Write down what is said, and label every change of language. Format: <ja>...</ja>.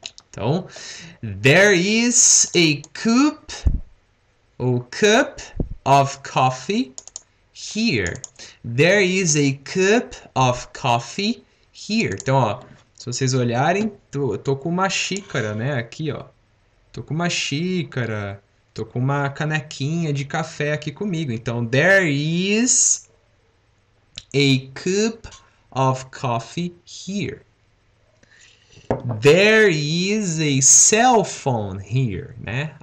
<en>Então, there is a coop ou cup of coffee here. There is a cup of coffee here. Então, ó,</en> <pt>Se vocês olharem, tô com uma xícara, né? Aqui, ó. Tô com uma xícara. Tô com uma canequinha de café aqui comigo.</pt> <en>Então, there is a cup of coffee here. There is a cell phone here, né?</en>